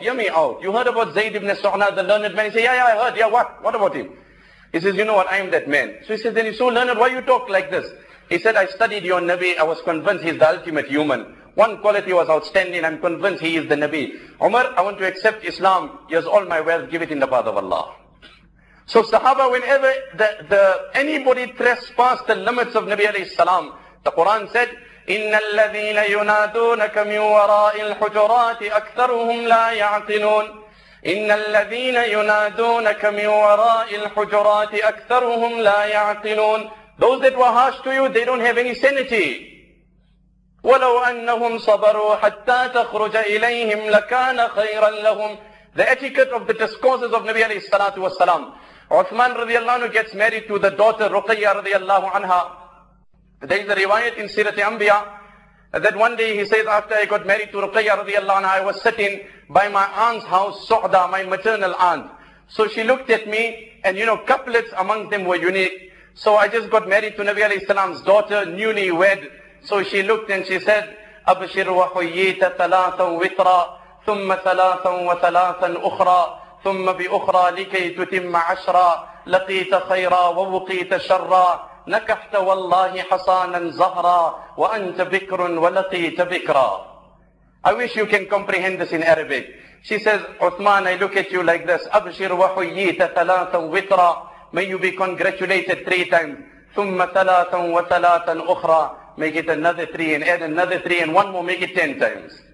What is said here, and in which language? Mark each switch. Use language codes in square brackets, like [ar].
[en] You heard about Zayd ibn Su'na, the learned man? He said, yeah, I heard, yeah, what about him? He says, you know what, I am that man. So he says, then you're so learned, why you talk like this? He said, I studied your Nabi, I was convinced he's the ultimate human. One quality was outstanding, I'm convinced he is the Nabi. Umar, I want to accept Islam, here's all my wealth, give it in the path of Allah. So Sahaba, whenever anybody trespassed the limits of Nabi alayhi salam, the Quran said, [ar] إِنَّ الَّذِينَ يُنَادُونَكَ مِنْ وَرَاءِ الْحُجُرَاتِ أَكْثَرُهُمْ لَا يَعْقِلُونَ إِنَّ الَّذِينَ يُنَادُونَكَ مِنْ وَرَاءِ الْحُجُرَاتِ أَكْثَرُهُمْ لَا يَعْقِلُونَ. [en] Those that were harsh to you, they don't have any sanity. [ar] وَلَوْ أَنَّهُمْ صَبَرُوا حَتَّى تَخْرُجَ إِلَيْهِمْ لَكَانَ خَيْرًا لَهُمْ. [en] The etiquette of the discourses of Nabi alayhi salatu was salam. Uthman radiallahu anhu gets married to the daughter Ruqayya radiallahu anha. There is a riwayat in Sirat Anbiya that one day he says, after I got married to Ruqayya radiallahu anha, I was sitting by my aunt's house, Su'da, my maternal aunt. So she looked at me, and you know, couplets among them were unique. So I just got married to Nabi alayhi salam's daughter, newly wed. So she looked and she said, [ar] أَبْشِرْ وَحُيِّيْتَ ثَلَاثًا وِطْرًا ثم ثلاثا وثلاثا اخرى ثم باخرى لكي تتم عشرا لقيت خيرا ووقيت شرا نكحت والله حصانا زهرا وانت بكر ولقيت بكرا. [en] I wish you can comprehend this in Arabic. She says, Uthman, I look at you like this. [ar] Abshir wa huyita thalatha witra. [en] May you be congratulated three times. [ar] ثم ثلاثا وثلاثا اخرى. [en] Make it another three and add another three and one more, make it 10 times.